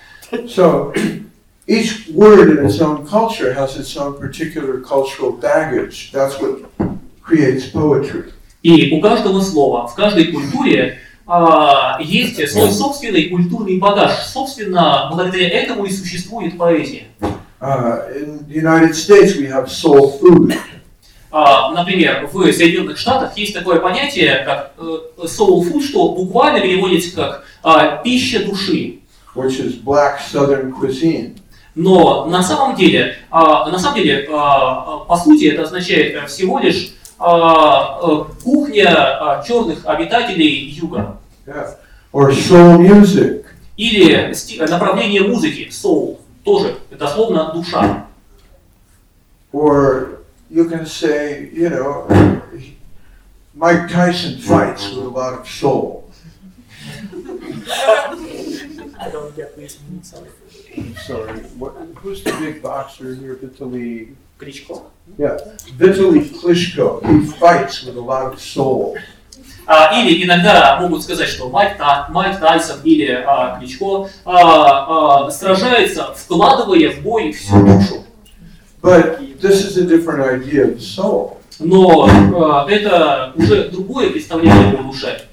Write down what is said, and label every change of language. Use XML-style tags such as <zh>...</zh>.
<en>So each word in its own culture has its own particular cultural baggage. That's what creates poetry.</en> <ru>И у каждого слова в каждой культуре есть свой собственный культурный багаж. Собственно, благодаря этому и существует поэзия.</ru> <en>In the United States we have soul food.</en> <ru>Например, в Соединенных Штатах есть такое понятие, как soul food, что буквально переводится как пища души.</ru> <en>Which is black southern cuisine.</en> <ru>Но на самом деле, по сути, это означает всего лишь кухня черных обитателей юга.</ru> <en>Yeah. Or soul music.</en> <ru>Или направление музыки, soul, тоже, дословно, душа.</ru> <en>Or you can say, you know, Mike Tyson fights with a lot of soul. I don't get this. I'm sorry. Who's the big boxer here, Vitaly? Klitschko. Yeah, Vitaly Klitschko. He fights with a lot of soul.</en> <ru>Или иногда могут сказать, что Майк Тайсон или Кличко сражается, вкладывая в бой всю душу.</ru> <en>But this is a different idea of soul.</en> <ru>Но это уже другое представление о душе.</ru>